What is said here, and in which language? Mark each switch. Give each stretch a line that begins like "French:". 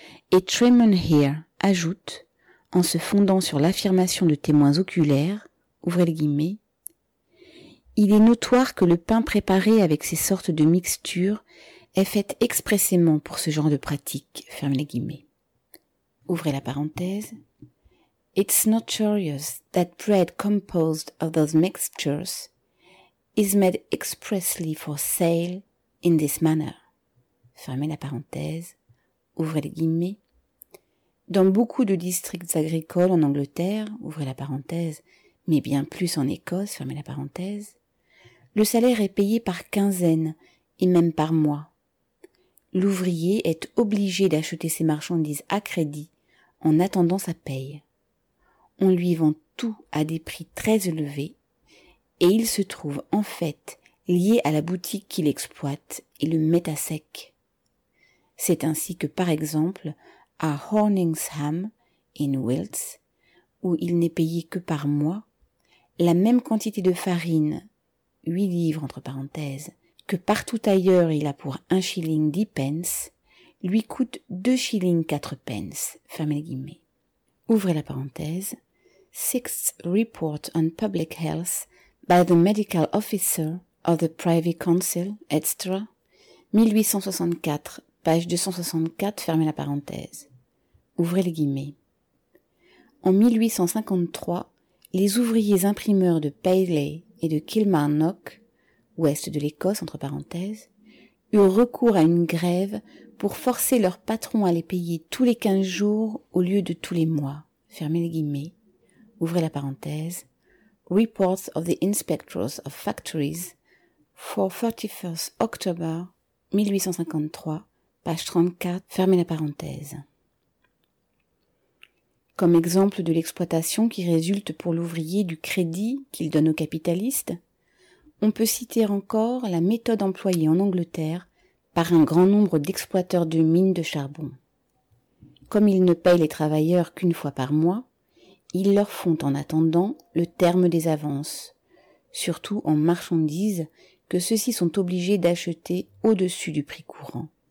French: Et Treman Hare ajoute, en se fondant sur l'affirmation de témoins oculaires, ouvrez le guillemet, il est notoire que le pain préparé avec ces sortes de mixtures est fait expressément pour ce genre de pratique, ferme les guillemets. Ouvrez la parenthèse.
English: It's notorious that bread composed of those mixtures is made expressly for sale in this manner.
French: Fermez la parenthèse. Ouvrez les guillemets. Dans beaucoup de districts agricoles en Angleterre, ouvrez la parenthèse, mais bien plus en Écosse, fermez la parenthèse, le salaire est payé par quinzaine et même par mois. L'ouvrier est obligé d'acheter ses marchandises à crédit en attendant sa paye. On lui vend tout à des prix très élevés et il se trouve en fait lié à la boutique qu'il exploite et le met à sec. C'est ainsi que, par exemple, à Horningsham, in Wilts, où il n'est payé que par mois, la même quantité de farine, 8 livres entre parenthèses, que partout ailleurs il a pour 1 shilling 10 pence, lui coûte 2 shillings 4 pence, fermez les guillemets. Ouvrez la parenthèse.
English: Sixth report on public health by the medical officer of the Privy Council, etc., 1864, page 264,
French: fermez la parenthèse. Ouvrez les guillemets. En 1853, les ouvriers imprimeurs de Paisley et de Kilmarnock, ouest de l'Écosse, entre parenthèses, eurent recours à une grève pour forcer leur patron à les payer tous les 15 jours au lieu de tous les mois. Fermez les guillemets. Ouvrez la parenthèse.
English: Reports of the Inspectors of Factories for 31st October 1853, page 34.
French: Fermez la parenthèse. Comme exemple de l'exploitation qui résulte pour l'ouvrier du crédit qu'il donne aux capitalistes, on peut citer encore la méthode employée en Angleterre par un grand nombre d'exploiteurs de mines de charbon. Comme ils ne payent les travailleurs qu'une fois par mois, ils leur font en attendant le terme des avances, surtout en marchandises que ceux-ci sont obligés d'acheter au-dessus du prix courant.